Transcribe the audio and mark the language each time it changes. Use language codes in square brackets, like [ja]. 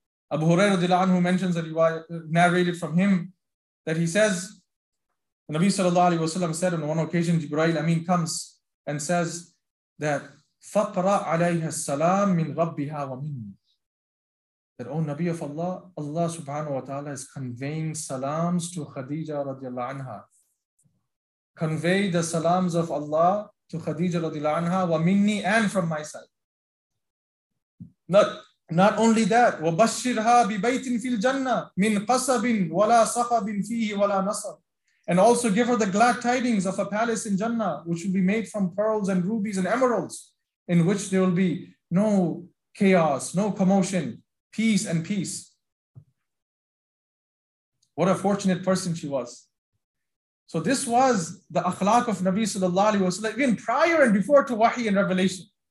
[en] Abu Hurairah radiallahu anhu mentions that he narrated from him that he says, the Nabi sallallahu alayhi wasallam said on one occasion, Jibreel Amin comes and says that [ar] فَقْرَ عَلَيْهَا السَّلَامِ مِنْ رَبِّهَا وَمِنِّي. [en] That, O Nabi of Allah, Allah subhanahu wa ta'ala is conveying salams to Khadija radiallahu anha. Convey the salams of Allah to Khadija radiallahu anha [ar] وَمِنِّي [en] and from my side. Not only that, [ar] وَبَشِّرْهَا بِبَيْتٍ فِي الْجَنَّةِ مِنْ قَصَبٍ وَلَا صَخَبٍ فِيهِ وَلَا نَصَبٍ. [en] And also give her the glad tidings of a palace in Jannah, which will be made from pearls and rubies and emeralds, in which there will be no chaos, no commotion, peace and peace. What a fortunate person she was. So this was the akhlaq of Nabi sallallahu alayhi wa sallam, even prior and before to wahi and revelation.